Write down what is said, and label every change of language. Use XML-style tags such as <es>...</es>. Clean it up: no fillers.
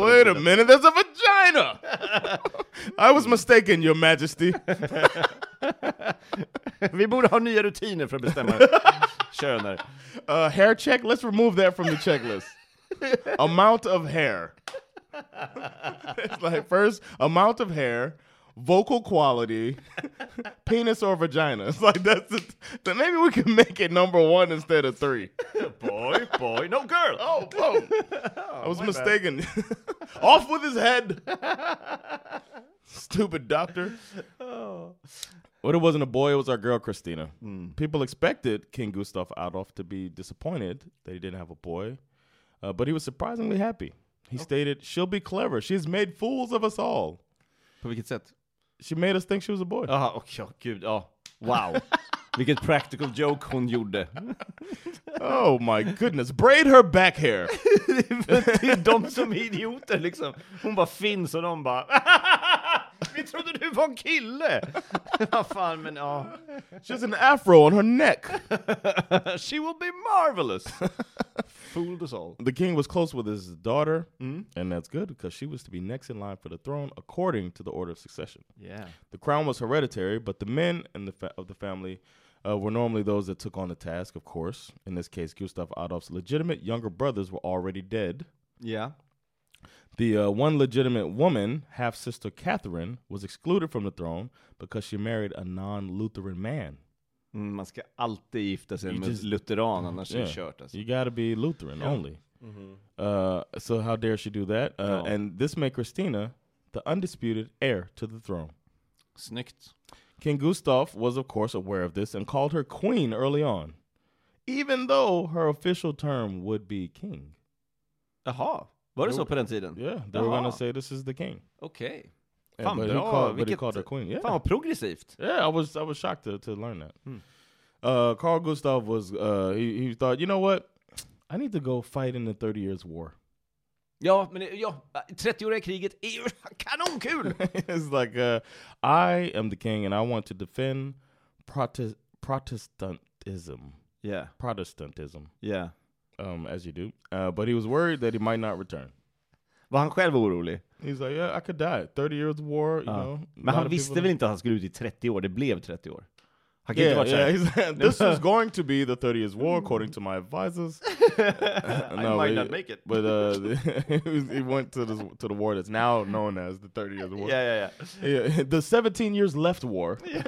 <en>Wait a minute, there's a vagina! I was mistaken, your majesty.</en> <sv>Vi borde ha nya rutiner för att bestämma könet.</sv> <en>Hair check, let's remove that from the checklist. Amount of hair. It's like, first, amount of hair, vocal quality, penis or vagina. It's like, that's it. Then maybe we can make it number one instead of three. Boy, boy, no girl. Oh, oh. I was mistaken. Off with his head. Stupid doctor. But it wasn't a boy, it was our girl, Christina. Mm. People expected King Gustav Adolf to be disappointed that he didn't have a boy. But he was surprisingly happy. He stated, she'll be clever. She's made fools of us all.</en> <sv>På vilket sätt?</sv> <en>She made us think she was a boy.</en> <sv>Aha, okay, oh, gud.</sv> <en>Oh, wow.</en> <sv>Vilket</sv> <en>practical joke</en> <sv>hon gjorde.</sv> <en>Oh, my goodness. Braid her back hair.</en> <sv>Det är de som idioter, liksom. Hon bara finns och de bara... Vi trodde du var en kille. Vad fan, men ja. Oh.</sv> <en>She has an afro on her neck. She will be marvelous. Fooled us all. The king was close with his daughter, and that's good because she was to be next in line for the throne according to the order of succession. Yeah. The crown was hereditary, but the men in the of the family were normally those that took on the task, of course. In this case, Gustav Adolf's legitimate younger brothers were already dead. Yeah. The one legitimate woman, half-sister Catherine, was excluded from the throne because she married a non-Lutheran man.</en> <sv>Mm, man ska alltid gifta sig med lutheran, annars är det kört. Alltså.</sv> <en>You gotta be Lutheran only. Mm-hmm. So how dare she do that? And this made Christina the undisputed heir to the throne.</en> <sv>Snyggt.</sv> <en>King Gustav was, of course, aware of this and called her queen early on, even though her official term would be king.</en> <sv>Aha. Var det så på den tiden?</sv> <en>Yeah, they were gonna say this is the king.</en> <sv>Okej.</sv> <en>Okay. Yeah,</en> <sv>fan, bra.</sv> <en>But he called her queen. Yeah.</en> <sv>Fan, progressivt.</sv> <en>Yeah, I was shocked to learn that. Carl Gustav was, he thought, you know what? I need to go fight in the 30 years war.</en> <sv>Ja, men ja, 30-åriga kriget är ju kanonkul.</sv> <en>It's like, I am the king and I want to defend Protestantism. Yeah. Protestantism. Yeah. As you do. But he was worried that he might not return.</en> <sv>Var han själv orolig?</sv> <en>He's like, yeah, I could die. 30 years of war, you know.</en> <sv>Men han visste väl inte att han skulle ut i 30 år. Det blev 30 år. Han kan inte vara såhär.</sv> <en>This is going to be the 30 years war, according to my advisors. I might not make it. But he went to the war that's now known as the 30 years war. Yeah. The 17 years left war.</en>